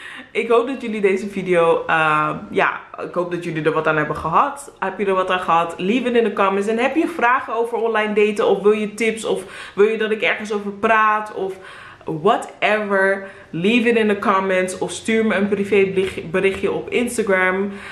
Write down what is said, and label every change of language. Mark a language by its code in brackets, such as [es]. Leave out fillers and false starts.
[nl] Ik hoop dat jullie deze video. Ik hoop dat jullie er wat aan hebben gehad. Heb je er wat aan gehad? [en] Leave it in the comments. [nl] En heb je vragen over online daten? Of wil je tips? Of wil je dat ik ergens over praat? Of whatever. [en] Leave it in the comments. [nl] Of stuur me een privéberichtje op Instagram.